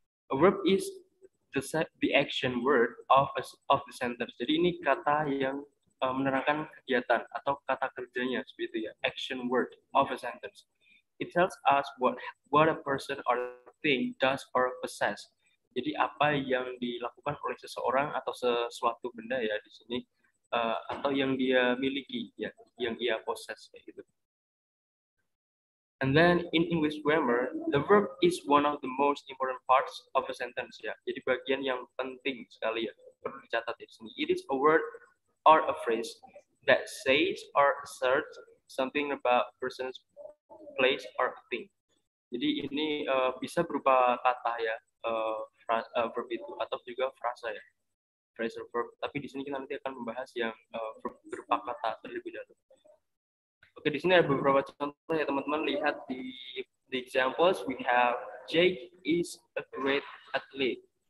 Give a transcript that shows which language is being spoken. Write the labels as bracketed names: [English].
[English] A verb is the action word of the sentence. [Indonesian] Jadi ini kata yang menerangkan kegiatan atau kata kerjanya seperti itu ya. [English] Action word of a sentence. It tells us what a person or thing does or possess. [Indonesian] Jadi apa yang dilakukan oleh seseorang atau sesuatu benda ya di sini atau yang dia miliki ya, yang ia possess ya, gitu. [English] And then in English grammar, the verb is one of the most important parts of a sentence. Ya. [Indonesian] Jadi bagian yang penting sekali ya, perlu dicatat di sini. [English] It is a word or a phrase that says or asserts something about person's place or thing. [Indonesian] Jadi ini bisa berupa kata ya, verb itu atau juga frasa ya, [English] phrase or verb. [Indonesian] Tapi di sini kita nanti akan membahas yang berupa kata terlebih dahulu. Oke, di sini ada beberapa contoh ya teman-teman. Lihat di examples, [English] we have Jake is a great athlete.